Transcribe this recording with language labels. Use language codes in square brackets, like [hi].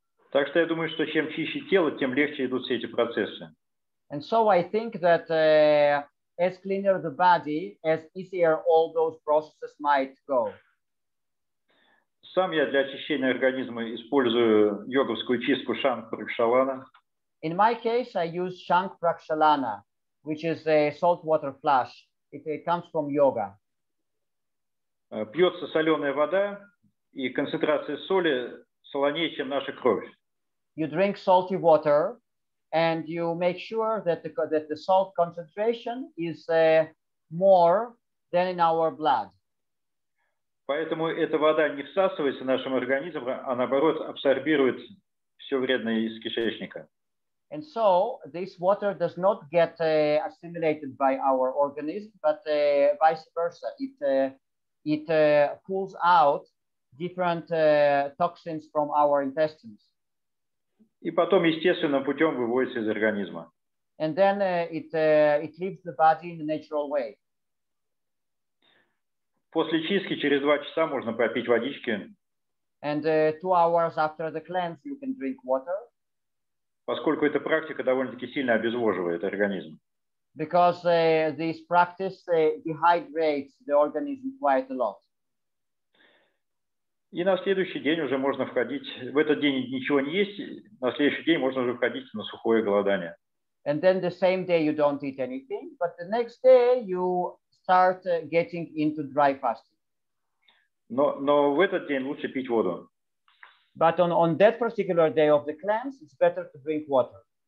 [ru] Так что я думаю, что чем чище тело, тем легче идут все эти процессы. [en] And so I think that as cleaner the body, as easier all those processes might go. [ru] Сам я для очищения организма использую йоговскую чистку Шанг Пракшалана. [en] In my case, I use Shank Prakshalana, which is a saltwater flush. It comes from yoga. [ru] Пьется соленая вода, и концентрация соли солонее, чем наша кровь. [en] You drink salty water, and you make sure that the salt concentration is more than in our blood. [ru] Поэтому эта вода не всасывается нашим организмом, а наоборот абсорбирует все вредное из кишечника. [en] And so this water does not get assimilated by our organism, but vice versa. It pulls out different toxins from our intestines. [ru] И потом естественным путем выводится из организма. [en] and then it leaves the body in a natural way. [ru] После чистки через 2 часа можно попить водички. [en] And 2 hours after the cleanse you can drink water. [ru] Поскольку эта практика довольно-таки сильно обезвоживает организм. [en] Because this practice dehydrates the organism quite a lot. [ru] И на следующий день уже можно входить, в этот день ничего не есть, на следующий день можно уже входить на сухое голодание. [en] And then the same day you don't eat anything, but the next day you start getting into dry fasting. [ru] Но в этот день лучше пить воду. [en] But on that particular day of the cleanse, it's better to drink water.